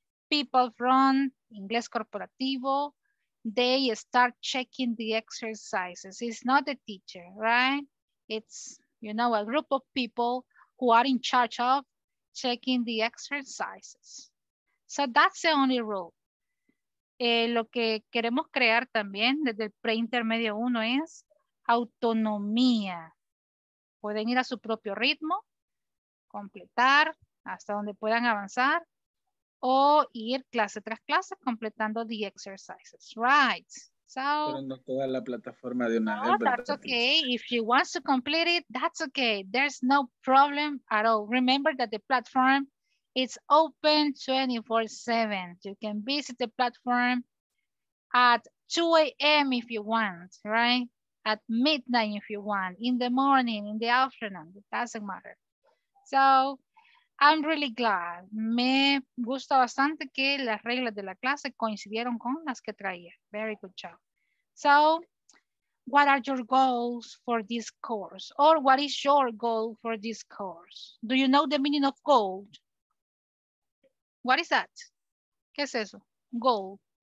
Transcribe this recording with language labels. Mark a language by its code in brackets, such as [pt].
[en] people from Inglés Corporativo, they start checking the exercises. It's not the teacher, right? It's, you know, a group of people who are in charge of checking the exercises. So that's the only rule. [es] Lo que queremos crear también desde el pre-intermedio 1 es autonomía. Pueden ir a su propio ritmo, completar hasta donde puedan avanzar, o ir clase tras clase completando [en] the exercises, right? So, [es] pero no toda la plataforma de una [en] vez. No, that's okay. If she wants to complete it, that's okay. There's no problem at all. Remember that the platform is open 24/7. You can visit the platform at 2 a.m. if you want, right? At midnight if you want, in the morning, in the afternoon, it doesn't matter. So I'm really glad. [es] Me gusta bastante que las reglas de la clase coincidieron con las que traía. [en] Very good job. So what are your goals for this course? Or what is your goal for this course? Do you know the meaning of goal? What is that? [es] ¿Qué es eso? [en] Goal.